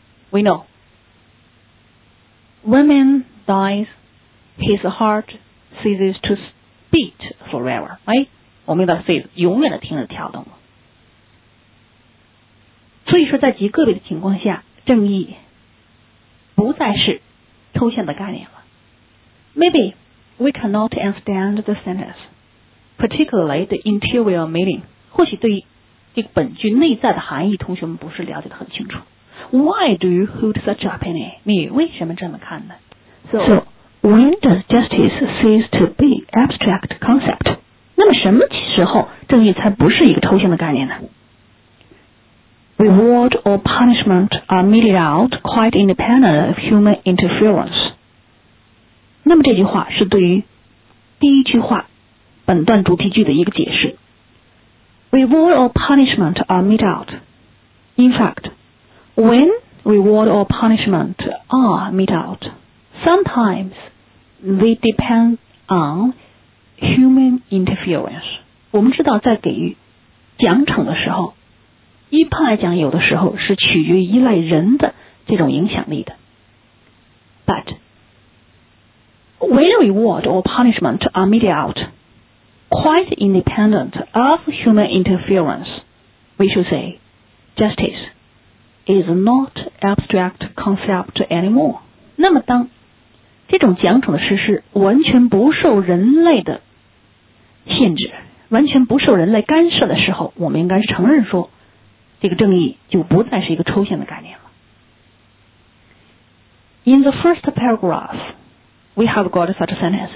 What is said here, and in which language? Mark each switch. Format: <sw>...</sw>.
<en>We know, woman dies, his heart ceases to beat forever, right?</en> <zh>我们的 cease 永远的停止跳动了。所以说在极个别的情况下，正义不再是抽象的概念了。</zh> <en>Maybe we cannot understand the sentence, particularly the interior meaning.</en> <zh>或许对于这个本句内在的含义，同学们不是了解得很清楚。</zh> <en>Why do you hold such opinion?</en> <zh>你为什么这么看呢？</zh> <en>So, when does justice cease to be abstract concept?</en> <zh>那么什么时候正义才不是一个抽象的概念呢？</zh> <en>Reward or punishment are meted out quite independent of human interference.</en> <zh>那么这句话是对于第一句话本段主题句的一个解释。</zh> <en>Reward or punishment are meted out. In fact,When reward or punishment are meted out, sometimes they depend on human interference.</en> <zh>我们知道在给予奖惩的时候，一般来讲有的时候是取决于依赖人的这种影响力的。</zh> <en>But when reward or punishment are meted out, quite independent of human interference, we should say justice. Is not abstract concept anymore.</en> <zh>那么当这种奖惩的实施完全不受人类的限制，完全不受人类干涉的时候，我们应该是承认说，这个正义就不再是一个抽象的概念了。</zh> <en>In the first paragraph, we have got such a sentence.</en>